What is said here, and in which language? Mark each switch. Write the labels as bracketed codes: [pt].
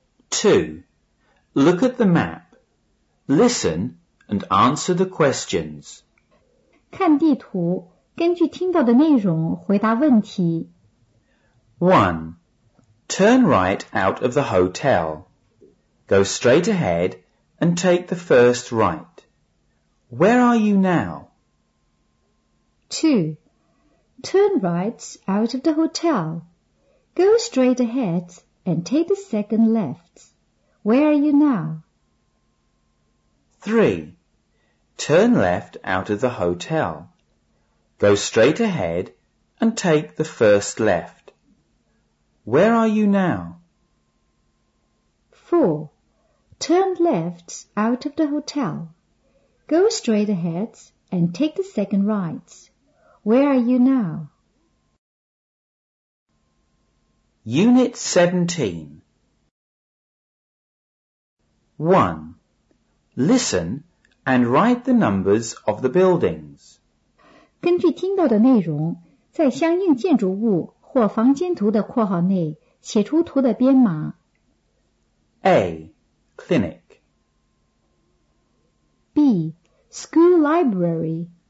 [en] 2. Look at the map. Listen and answer the questions. [zh] 看地图，根据听到的内容回答问题。 [en] 1. Turn right out of the hotel. Go straight ahead and take the first right. Where are you now? 2. Turn right out of the hotel. Go straight ahead and take the second left. Where are you now? 3. Turn left out of the hotel. Go straight ahead and take the first left. Where are you now? 4. Turn left out of the hotel. Go straight ahead and take the second right. Where are you now? Unit 17. 1. Listen and write the numbers of the buildings. [zh] 根据听到的内容，在相应建筑物或房间图的括号内写出图的编码。 [en] A. Clinic. B. School library.